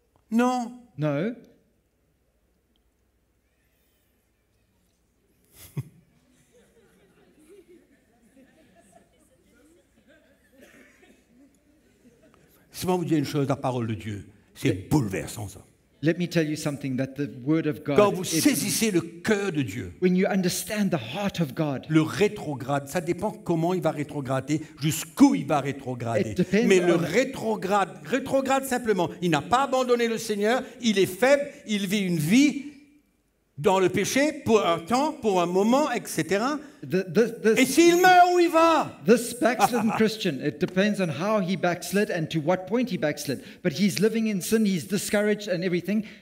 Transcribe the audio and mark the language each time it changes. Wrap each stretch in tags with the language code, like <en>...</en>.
<fr>Non.</fr> <en>No.</en> <fr>Je vais vous dire une chose, la parole de Dieu, c'est bouleversant ça.</fr> <en>Let me tell you something that the word of God.</en> <fr>Quand vous saisissez le cœur de Dieu.</fr> <en>When you understand the heart of God.</en> <fr>Le rétrograde, ça dépend comment il va rétrograder, jusqu'où il va rétrograder. Mais le rétrograde simplement, il n'a pas abandonné le Seigneur, il est faible, il vit une vie dans le péché pour un temps, pour un moment, etc. Et s'il meurt, où il va?</fr> <en>This backslidden Christian, it depends on how he backslid and to what point he backslid. But he's living in sin, he's discouraged and everything.</en>